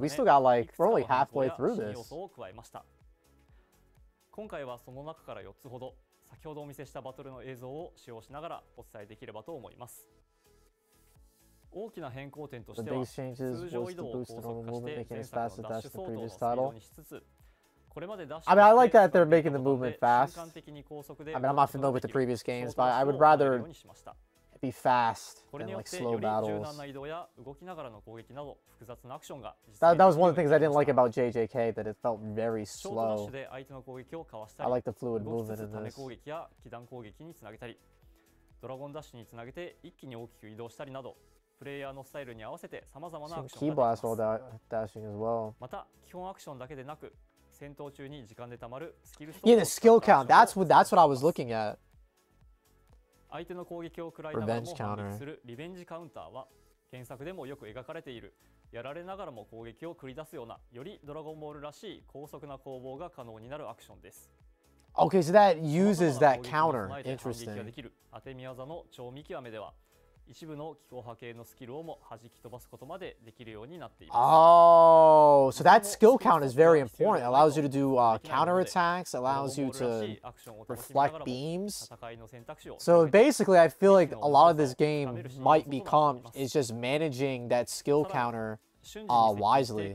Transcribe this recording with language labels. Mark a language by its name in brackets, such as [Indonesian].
[English] We still got like we're only halfway through this. [Japanese] 要素を加えました。今回はその中から4つほど、先ほどお見せしたバトルの映像を使用しながらお伝えできればと思います。大きな変更点としては、通常移動を高速化して前作のダッシュ走行を推進しつつ、 [English] I mean, I like that they're making the movement fast. I mean, I'm not familiar with the previous games, but I would rather be fast than like slow battles. That was one of the things I didn't like about JJK, that it felt very slow. I like the fluid movement in this. [Japanese] ドラゴンダッシュにつなげて一気に大きく移動したりなど、プレイヤーのスタイルに合わせて様々なアクションが出ます。また、基本アクションだけでなく、戦闘中に時間で貯まるスキルストーン。 [English] Yeah, the skill count. That's what I was looking at. [Japanese] 相手の攻撃を食らいながらも反撃するリベンジカウンターは、原作でもよく描かれている。やられながらも攻撃を繰り出すような、よりドラゴンボールらしい高速な攻防が可能になるアクションです。 [English] Okay, so that uses that counter. Interesting. [Japanese] 当て見技の超見極めでは、一部の気候波形のスキルをも弾き飛ばすことまでできるようになっています [English] Oh, so that skill count is very important. It allows you to do counter attacks, allows you to reflect beams. So basically, I feel like a lot of this game might become is just managing that skill counter wisely.